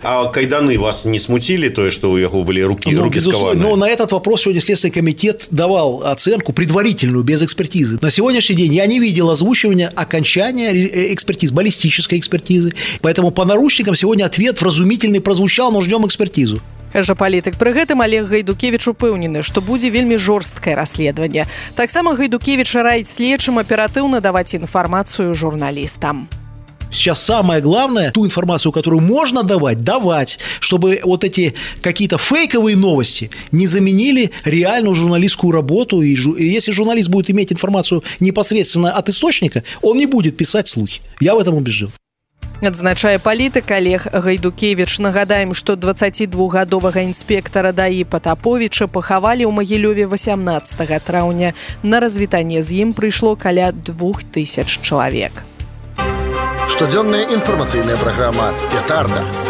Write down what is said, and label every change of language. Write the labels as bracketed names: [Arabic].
[Russian] А кайданы вас не смутили, то, что у него были руки скованы? Но на этот вопрос сегодня Следственный комитет давал оценку предварительную, без экспертизы. На сегодняшний день я не видел озвучивания окончания экспертизы, баллистической экспертизы, поэтому по наручникам сегодня ответ вразумительный прозвучал, но ждем экспертизу. [Belarusian] Кажа палітык. Пры гэтым Олег Гайдукевіч упэўнены, што будзе вельмі жорсткае расследаванне. Таксама Гайдукевіч раіць следчым аператыўна даваць інфармацыю журналістам. [Russian] Сейчас самое главное, ту информацию, которую можно давать, давать, чтобы вот эти какие-то фейковые новости не заменили реальную журналистскую работу. И если журналист будет иметь информацию непосредственно от источника, он не будет писать слухи. Я в этом убежден. [Belarusian] Отзначае палітык Олег Гайдукевіч. Нагадаем, што 22-гадовага інспектара ДАІ Патаповіча пахавалі ў Магілёве 18 траўня. На развітанне з ім прыйшло каля 2000 чалавек. Штодзённая інфармацыйная праграма «Петарда».